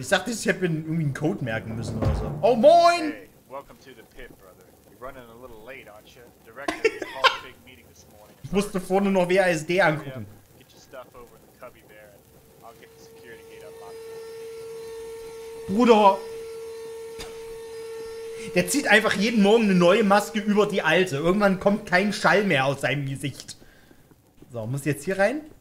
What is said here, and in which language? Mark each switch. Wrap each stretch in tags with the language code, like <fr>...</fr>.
<de>Ich dachte, ich hätte mir irgendwie einen Code merken müssen oder so. Oh, moin!</de> <en>Hey, welcome to the pit, brother. You're running a little late, aren't you? Director just called a big meeting this morning.</en> <de>Ich musste vorne noch WASD angucken.</de> <en>Get your stuff over in the cubby there and I'll get the security gate unlocked.</en> <de>Bruder! Der zieht einfach jeden Morgen eine neue Maske über die alte. Irgendwann kommt kein Schall mehr aus seinem Gesicht. So, muss ich jetzt hier rein?</de>